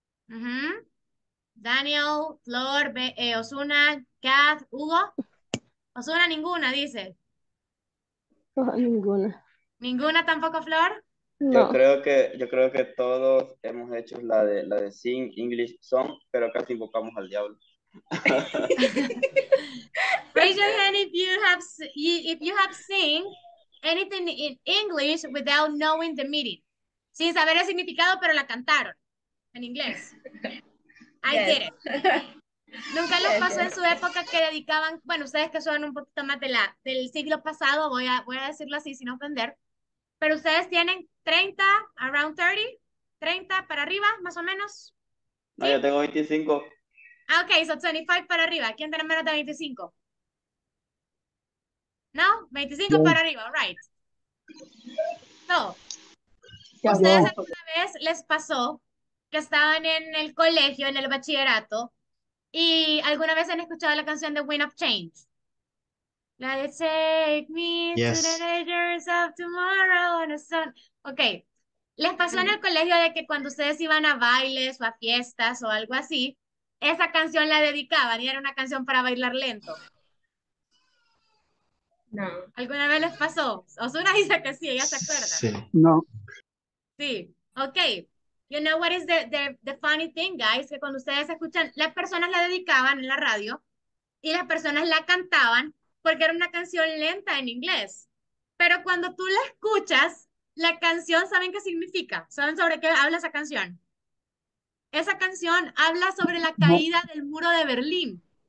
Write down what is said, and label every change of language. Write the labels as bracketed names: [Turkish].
[Spanish] Mm-hmm. Daniel, Flor, Osuna, Kat, Hugo. Osuna, ninguna, dice. Oh, ninguna. ¿Ninguna tampoco, Flor? No. Yo creo que todos hemos hecho la de Sing English Song, pero casi invocamos al diablo. [English] Raise your hand if you have sing anything in English without knowing the meaning. [Spanish] Sin saber el significado, pero la cantaron en inglés. [English] I did it. [Spanish] Nunca les pasó en su época que dedicaban, bueno, ustedes que son un poquito más de del siglo pasado, voy a decirlo así sin ofender, pero ustedes tienen 30, [English] around 30, [Spanish] 30 para arriba, más o menos. No, ¿sí? Yo tengo 25. Ah, ok, so 25 para arriba. ¿Quién tiene menos de 25? ¿No? 25 para arriba, [English] all right. [Spanish] So, ¿ustedes alguna vez les pasó que estaban en el colegio, en el bachillerato, y alguna vez han escuchado la canción de Wind of Change? La de [English] Take Me yes. to the Dangers of Tomorrow on a Sun. [Spanish] Ok, ¿les pasó en el colegio de que cuando ustedes iban a bailes o a fiestas o algo así, esa canción la dedicaban y era una canción para bailar lento? No. ¿Alguna vez les pasó? Osuna dice que sí, ella se acuerda. Sí. No. Sí, ok. [English] You know what is the funny thing, guys? [Spanish] Que cuando ustedes escuchan, las personas la dedicaban en la radio y las personas la cantaban porque era una canción lenta en inglés. Pero cuando tú la escuchas, la canción, ¿saben qué significa? ¿Saben sobre qué habla esa canción? Esa canción habla sobre la caída del muro de Berlín.